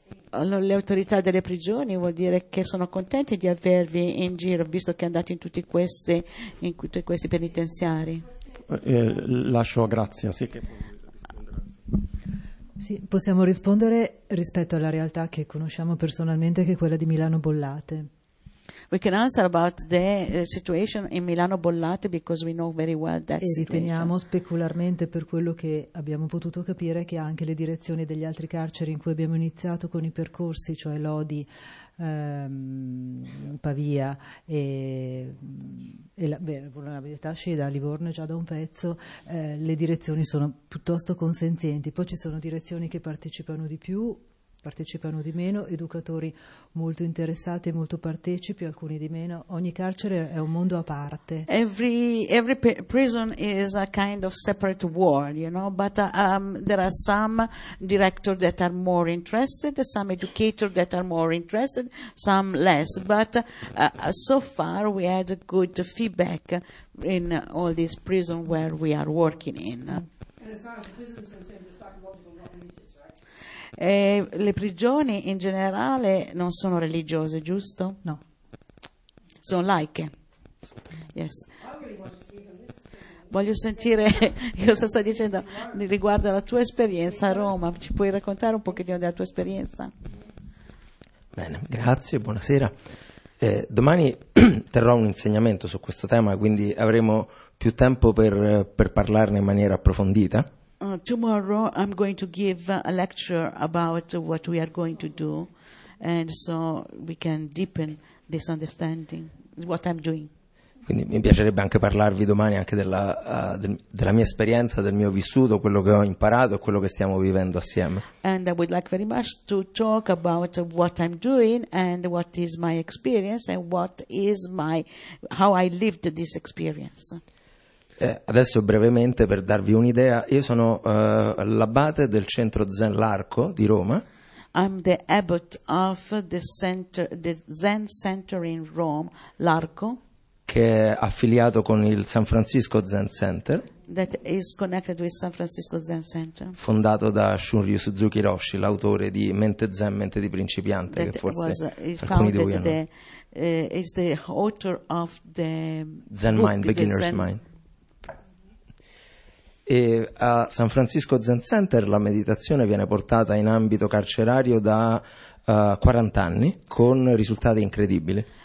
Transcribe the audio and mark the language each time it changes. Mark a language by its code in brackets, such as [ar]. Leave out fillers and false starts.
[it] allora, le autorità delle prigioni vuol dire che sono contenti di avervi in giro, visto che andate in tutti questi, penitenziari. Lascio a Grazia. Sì, che sì, possiamo rispondere rispetto alla realtà che conosciamo personalmente, che è quella di Milano Bollate. [en] We can answer about the situation in Milano Bollate because we know very well that situation. [it] E riteniamo specularmente, per quello che abbiamo potuto capire, che anche le direzioni degli altri carceri in cui abbiamo iniziato con i percorsi, cioè Lodi, Pavia e la Livorno, già da un pezzo, le direzioni sono piuttosto consenzienti. Poi ci sono direzioni che partecipano di più, partecipano di meno, educatori molto interessati e molto partecipi, alcuni di meno. Ogni carcere è un mondo a parte. [en] Every prison is a kind of separate world, but there are some directors that are more interested, some educators that are more interested, some less, but so far we had a good feedback in all these prisons where we are working in. [it] Le prigioni in generale non sono religiose, giusto? No. Sono laiche. [en] Yes. [it] Voglio sentire cosa sta dicendo riguardo alla tua esperienza a Roma. Ci puoi raccontare un pochino della tua esperienza? Bene, grazie, buonasera. Domani terrò un insegnamento su questo tema, quindi avremo più tempo per parlarne in maniera approfondita. [en] Tomorrow I'm going to give a lecture about what we are going to do, and so we can deepen this understanding what I'm doing. [it] Quindi mi piacerebbe anche parlarvi domani anche della mia esperienza, del mio vissuto, quello che ho imparato e quello che stiamo vivendo assieme. [en] And I would like very much to talk about what I'm doing and what is my experience and what is my how I lived this experience. [it] Adesso brevemente, per darvi un'idea, io sono l'abate del centro Zen L'Arco di Roma. [en] I'm the abbot of the Zen Center in Rome, L'Arco, [it] che è affiliato con il San Francisco Zen Center, [en] that is connected with San Francisco Zen Center. [it] Fondato da Shunryu Suzuki Roshi, l'autore di Mente Zen, Mente di Principiante, [en] that [it] che forse [en] was, [it] alcuni di voi hanno. [en] Is the author of the Zen book, Mind, Beginner's Zen Mind. [it] E a San Francisco Zen Center la meditazione viene portata in ambito carcerario da 40 anni con risultati incredibili.